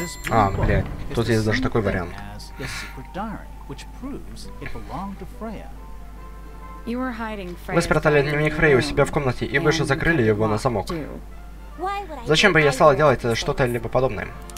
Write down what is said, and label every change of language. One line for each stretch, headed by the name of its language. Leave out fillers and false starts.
Russian: А, блядь, тут есть даже такой вариант.
English: The secret diary, which proves it belonged to Freya. You were hiding
Russian: Freya. Вы спрятали дневник Фрей у себя в комнате, и вы же закрыли его на замок. Зачем бы я стала делать что-то либо подобное?